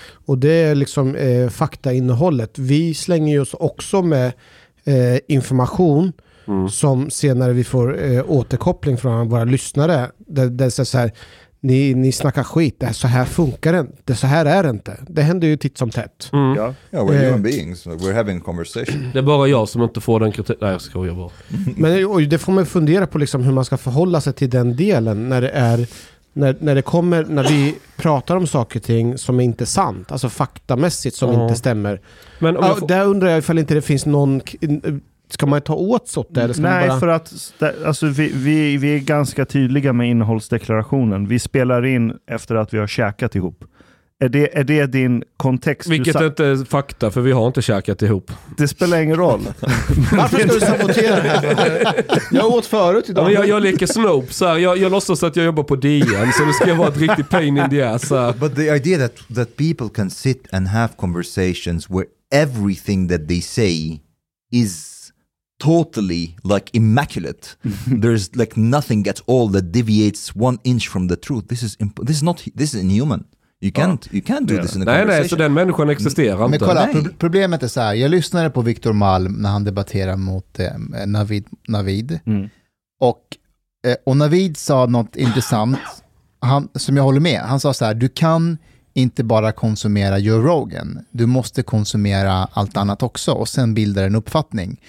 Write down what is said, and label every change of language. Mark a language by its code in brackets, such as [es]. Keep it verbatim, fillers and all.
[sv] Och det är liksom eh, faktainnehållet. Vi slänger ju oss också med eh, information mm. som senare vi får eh, återkoppling från våra lyssnare. Det, det är så här, ni, ni snackar skit, det är så här funkar det inte, så här är det inte. Det händer ju titt som tätt. [en] Mm. Yeah. Yeah, we're human beings, we're having conversation. [sv] Det är bara jag som inte får den kritik. Nej, jag skojar bara. Men det får man fundera på liksom hur man ska förhålla sig till den delen när det är... När, när det kommer, när vi pratar om saker och ting som är inte sant, alltså faktamässigt som mm. inte stämmer. Men om jag får... Där undrar jag ifall inte det finns någon, ska man ta åt sig åt det? Eller ska Nej, man bara... för att alltså, vi, vi, vi är ganska tydliga med innehållsdeklarationen. Vi spelar in efter att vi har käkat ihop. Är det, är det din kontext? Vilket sa- inte är fakta, för vi har inte käkat ihop. Det spelar ingen roll. Varför ska du sabotera det här? Jag åt förut idag. Ja, jag, jag leker Snope. Så här. Jag, jag låtsas att jag jobbar på D N, så det ska vara ett riktigt [en] pain in the ass. [sv] Så. [en] But the idea that, that people can sit and have conversations where everything that they say is totally like immaculate. There's like nothing at all that deviates one inch from the truth. This is, imp- this is, not, this is inhuman. You can't, you can't do yeah. this in a [sv] nej, [en] conversation. [sv] Nej, så den människan existerar men, inte. Men kolla, nej. Pro- problemet är så här. Jag lyssnade på Viktor Malm när han debatterar mot eh, Navid. Navid. Mm. Och, eh, och Navid sa något intressant han, som jag håller med. Han sa så här, du kan inte bara konsumera Joe Rogan. Du måste konsumera allt annat också och sen bilda en uppfattning.